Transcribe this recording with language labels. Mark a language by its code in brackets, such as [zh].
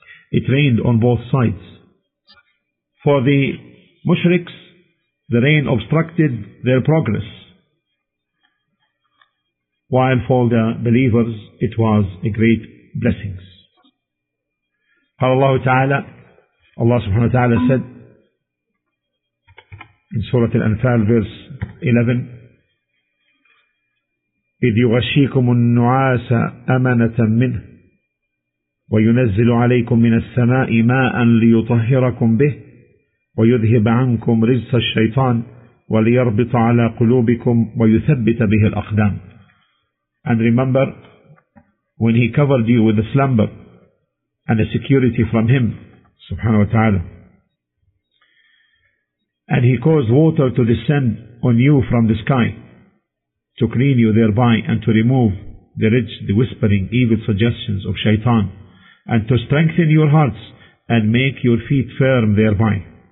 [en] It rained on both sides. For the mushriks, the rain obstructed their progress, while for the believers, it was a great blessing. Allah subhanahu wa ta'ala said in Surah Al-Anfal, verse 11, [ar] إِذْ يُغَشِّيكُمُ النُّعَاسَ أَمَنَةً مِّنْهُ وَيُنَزِّلُ عَلَيْكُم مِّنَ السَّمَاءِ مَاءً لِّيُطَهِّرَكُم بِهِ وَيُذْهِبَ عَنكُمْ رِجْسَ الشَّيْطَانِ وَلِيَرْبِطَ عَلَى قُلُوبِكُمْ وَيُثَبِّتَ بِهِ الْأَقْدَامَ. [en] And remember, when he covered you with a slumber and a security from him, subhanahu wa ta'ala, and he caused water to descend on you from the sky to clean you thereby, and to remove the ridge, the whispering, evil suggestions of shaitan, and to strengthen your hearts and make your feet firm thereby.